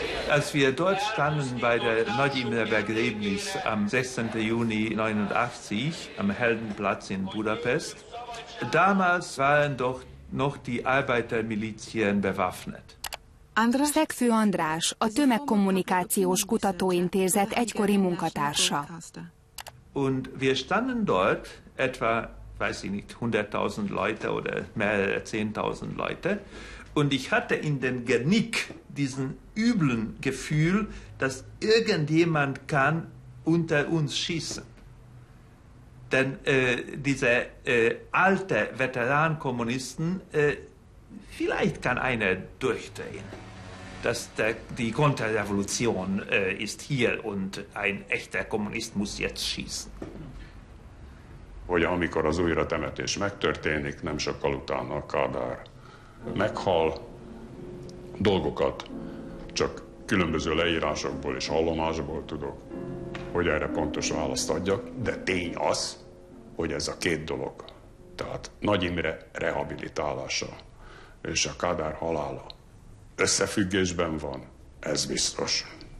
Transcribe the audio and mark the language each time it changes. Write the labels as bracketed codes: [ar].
[de] Als wir dort standen bei der Nagy Imre Begräbnis am 16. Juni 89 am Heldenplatz in Budapest, damals waren doch noch die Arbeitermilizien bewaffnet. [hu] Szegfő András, a Tömegkommunikációs Kutatóintézet egykori munkatársa. [de] Und wir standen dort etwa weiß ich nicht, 100.000 Leute oder mehrere 10.000 Leute. Und ich hatte in den Genick diesen üblen Gefühl, dass irgendjemand kann unter uns schießen. Denn diese alte Veteran-Kommunisten, vielleicht kann einer durchdrehen, dass die Konterrevolution ist hier und ein echter Kommunist muss jetzt schießen. [hu] hogy amikor az újratemetés megtörténik, nem sokkal utána a Kádár meghal, dolgokat csak különböző leírásokból és hallomásból tudok, hogy erre pontos választ adjak, de tény az, hogy ez a két dolog, tehát Nagy Imre rehabilitálása és a Kádár halála összefüggésben van, ez biztos.